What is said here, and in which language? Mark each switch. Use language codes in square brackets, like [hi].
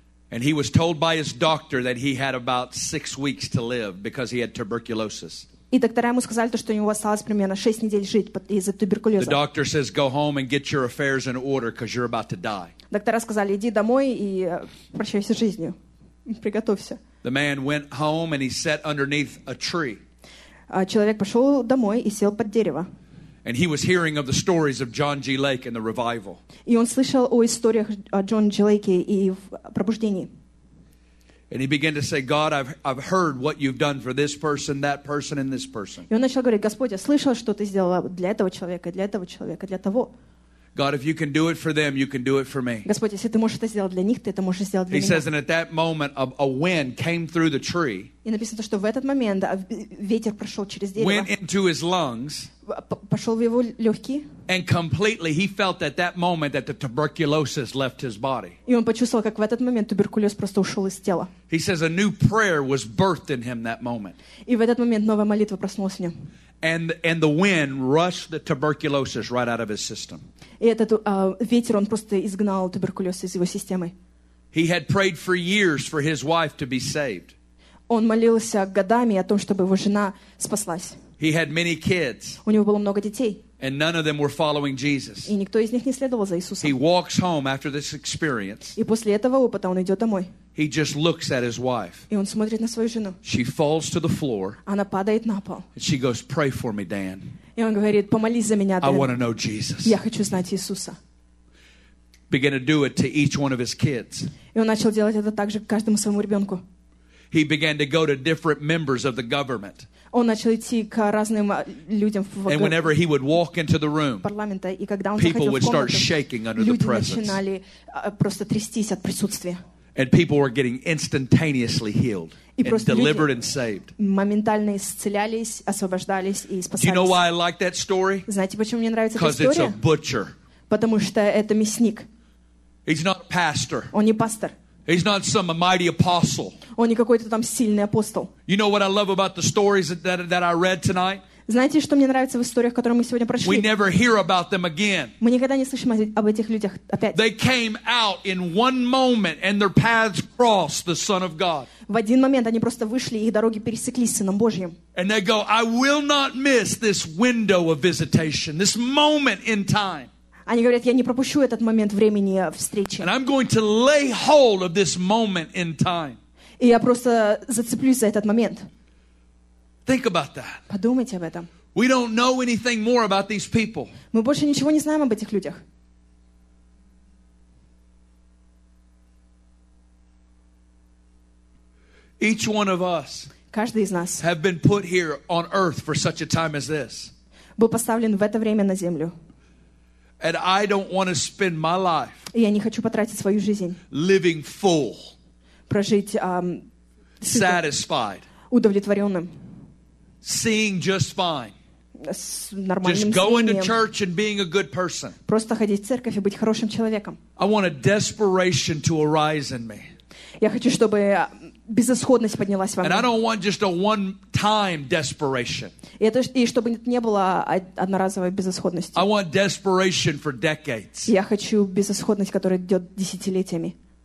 [en] And he was told by his doctor that he had about 6 weeks to live because he had tuberculosis. [ru] И доктора ему сказали, что у него осталось примерно 6 недель жить из-за туберкулеза. [en] The doctor says, go home and get your affairs in order because you're about to die. [ru] Доктора сказали, иди домой и прощайся с жизнью. Приготовься. [en] The man went home and he sat underneath a tree. [ru] Человек пошел домой и сел под дерево. [en] And he was hearing of the stories of John G. Lake and the revival. [ru] И он слышал о историях Джона Джи Лейка и пробуждении. [en] And he began to say, God, I've heard what you've done for this person, that person, and this person. [ru] И он начал говорить, Господь, я слышал, что ты сделал для этого человека, для этого человека, для того. [en] God, if you can do it for them, you can do it for me. [ru] Господь, если ты можешь это сделать для них, ты это можешь сделать для меня. [en] He says, and at that moment, a wind came through the tree. [ru] И написано, что в этот момент ветер прошел через дерево. [en] Went into his lungs. [ru] Пошел в его легкие. [en] And completely, he felt at that moment that the tuberculosis left his body. [ru] И он почувствовал, как в этот момент туберкулез просто ушел из тела. [en] He says, a new prayer was birthed in him that moment. [ru] И в этот момент новая молитва проснулась в нем. [en] And the wind rushed the tuberculosis right out of his system. [ru] И этот ветер, он просто изгнал туберкулез из его системы. [en] He had prayed for years for his wife to be saved. [ru] Он молился годами о том, чтобы его жена спаслась. [en] He had many kids. [ru] У него было много детей. [en] And none of them were following Jesus. [ru] И никто из них не следовал за Иисусом. [en] He walks home after this experience. [ru] И после этого опыта он идет домой. [en] He just looks at his wife. [ru] И он смотрит на свою жену. [en] She falls to the floor. [ru] Она падает на пол. [en] And she goes, "Pray for me, Dan." [ru] И он говорит, помолись за меня, Дэн. [en] I want to know Jesus. [ru] Я хочу знать Иисуса. [en] Began to do it to each one of his kids. [ru] И он начал делать это также к каждому своему ребенку. [en] He began to go to different members of the government. [ru] Он начал идти к разным людям в парламенте. [en] And whenever he would walk into the room, people would start shaking under the presence. [ru] Люди начинали просто трястись от присутствия. [en] And people were getting instantaneously healed and delivered and saved. [ru] Моментально исцелялись, освобождались и спасались. [en] Do you know why I like that story? [ru] Знаете, почему мне нравится эта история? [en] Because it's a butcher. [ru] Потому что это мясник. [en] He's not a pastor. [ru] Он не пастор. [en] He's not some mighty apostle. [ru] Он не какой-то там сильный апостол. [en] You know what I love about the stories that I read tonight? [ru] Знаете, что мне нравится в историях, которые мы сегодня прошли? [en] We never hear about them again. [ru] Мы никогда не слышим об этих людях опять. [en] They came out in one moment and their paths crossed the Son of God. [ru] В один момент они просто вышли, их дороги пересеклись с Сыном Божьим. [en] And they go, I will not miss this window of visitation, this moment in time. [ru] Они говорят, я не пропущу этот момент времени встречи. [en] And I'm going to lay hold of this moment in time. [ru] И я просто зацеплюсь за этот момент. [en] Think about that. [ru] Подумайте об этом. [en] We don't know anything more about these people. [ru] Мы больше ничего не знаем об этих людях. [en] Each one of us, [ru] каждый из нас, [en] have been put here on earth for such a time as this. [ru] Был поставлен в это время на землю. [en] And I don't want to spend my life. [ru] Я не хочу потратить свою жизнь. [en] Living full. [ru] Прожить [en] satisfied. [ru] Удовлетворенным. [en] Seeing just fine. [ru] С нормальным [en] Just going [ru] зрением. [en] To church and being a good person. [ru] Просто ходить в церковь и быть хорошим человеком. [en] I want a desperation to arise in me. [ru] Я хочу, чтобы безысходность поднялась во мне. [en] And I don't want just a one-time desperation. [ru] И чтобы не было одноразовой безысходности. [en] I want desperation for decades. [ru] Я хочу безысходность, которая идет десятилетиями.